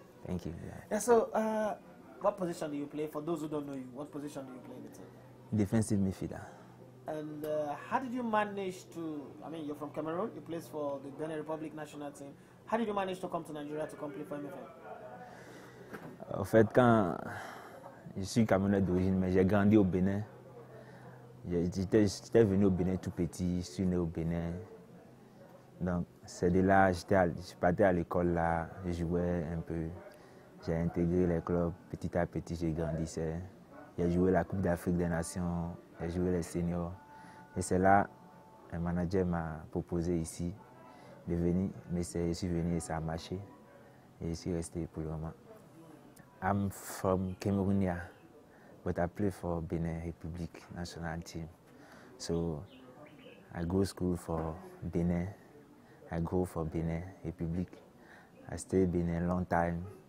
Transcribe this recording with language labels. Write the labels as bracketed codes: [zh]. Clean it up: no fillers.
[en] Thank you. Yeah. So, what position do you play? For those who don't know you, what position do you play in the team? Defensive midfielder. And how did you manage to, I mean, you're from Cameroon, you play for the Benin Republic national team. How did you manage to come to Nigeria to complete for MFL? [fr] En fait, quand je suis Camerounais d'origine, mais j'ai grandi au Bénin. J'étais venu au Bénin tout petit, je suis né au Bénin. Donc, c'est de là, je partais à l'école là, je jouais un peu. J'ai intégré les clubs, petit à petit, j'ai grandi. J'ai joué la Coupe d'Afrique des Nations, j'ai joué les seniors. Et c'est là, un manager m'a proposé ici de venir. Mais je suis venu et ça a marché. Et je suis resté pour le moment. [en] I'm from Cameroon, but I play for Benin Republic national team. So I go to school for Benin. I go for Benin Republic. I stay Benin a long time.